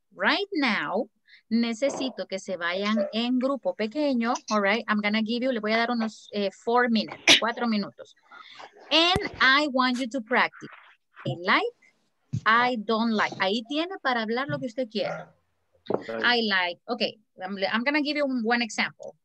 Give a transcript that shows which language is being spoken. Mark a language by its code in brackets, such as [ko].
[en] Right now, [es] necesito que se vayan en grupo pequeño. [en] All right, I'm going to give you, [es] le voy a dar unos [en] 4 minutes. And I want you to practice. I like, I don't like. [es] Ahí tiene para hablar lo que usted quiera. [en] I like, okay, I'm going to give you one example.